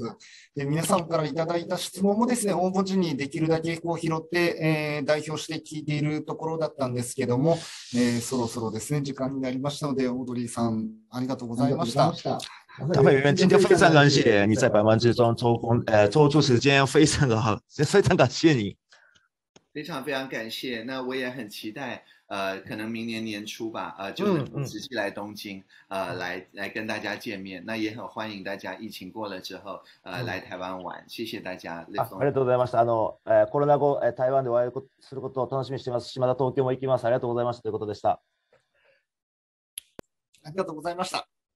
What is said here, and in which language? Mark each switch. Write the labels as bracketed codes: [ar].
[ja] はい、で皆さんからいただいた質問もですね応募時にできるだけこう拾って、代表して聞いているところだったんですけども、そろそろですね時間になりましたので、オードリーさんありがとうございました。 [zh] 他们原今天非常感谢你在百忙之中抽空抽出时间，非常的好，非常感谢你。非常非常感谢，那我也很期待，可能明年年初吧，就能够直接来东京，来跟大家见面。那也很欢迎大家疫情过了之后，来台湾玩。谢谢大家。 [ja] ありがとうございました。コロナ後台湾でお会いすることを楽しみにしています。また東京も行きます。ありがとうございましたということでした。ありがとうございました。